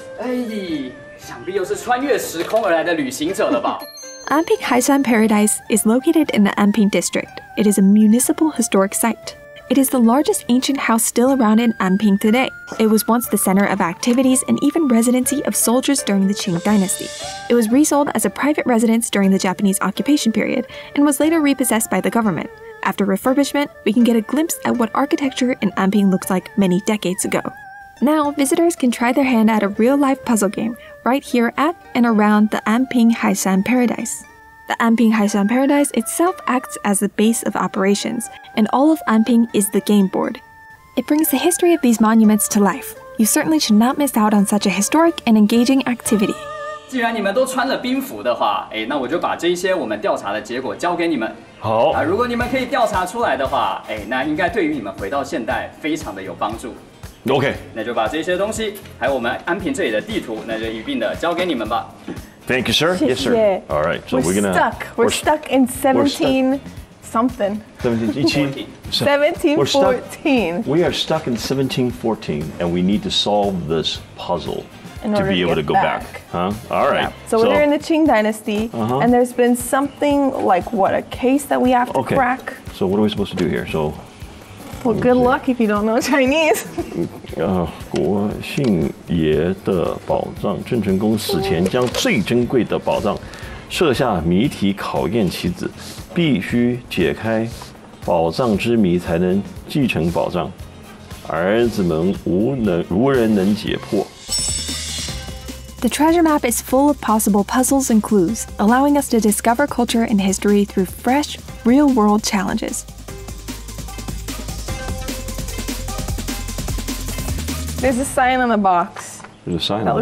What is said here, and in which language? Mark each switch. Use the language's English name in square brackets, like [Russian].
[Chinese] 哎呀，想必又是穿越时空而来的旅行者了吧？ [English] Anping Haisan Paradise is located in the Anping District. It is a municipal historic site. It is the largest ancient house still around in Anping today. It was once the center of activities and even residency of soldiers during the Qing Dynasty. It was resold as a private residence during the Japanese occupation period and was later repossessed by the government. After refurbishment, we can get a glimpse at what architecture in Anping looks like many decades ago. Now, visitors can try their hand at a real-life puzzle game right here at and around the Anping Haisan Paradise. The Anping Haisan Paradise itself acts as the base of operations, and all of Anping is the game board. It brings the history of these monuments to life. You certainly should not miss out on such a historic and engaging activity. [Chinese] 既然你们都穿了兵服的话，哎，那我就把这些我们调查的结果交给你们。好。啊，如果你们可以调查出来的话，哎，那应该对于你们回到现代非常的有帮助。 [English] OK。 [Chinese] 那就把这些东西，还有我们安平这里的地图，那就一并的交给你们吧。 [English] Thank you, sir. Yes, sir. All right. So we're stuck. We're stuck in 17 something. 1714. We are stuck in 1714, and we need to solve this puzzle to be able to go back. All right. Yeah. So we're in the Qing Dynasty, and there's been something like what, a case that we have to crack? So what are we supposed to do here? So, well, good luck if you don't know Chinese. [Chinese] 国姓爷的宝藏，郑成功死前将最珍贵的宝藏设下谜题考验其子，必须解开宝藏之谜才能继承宝藏，儿子们无人能解破。 [English] The treasure map is full of possible puzzles and clues, allowing us to discover culture and history through fresh, real-world challenges. There's a sign on the box. There's a sign on the box.